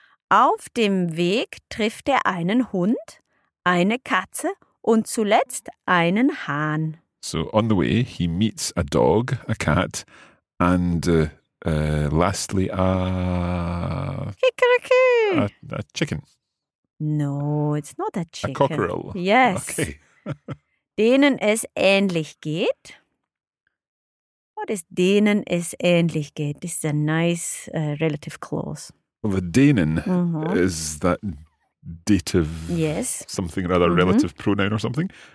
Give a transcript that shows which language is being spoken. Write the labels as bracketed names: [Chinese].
[German] Auf dem Weg trifft einen Hund, eine Katze und zuletzt einen Hahn. [English] So, on the way, he meets a dog, a cat, and lastly a... Kikeriki! A chicken. No, it's not a chicken. A cockerel. Yes. Okay. [German] Denen es ähnlich geht. [English] What is [German] denen es ähnlich geht? [English] This is a nice relative clause. Well, the denen mm-hmm. is that dative yes. something or other mm-hmm. relative pronoun or something.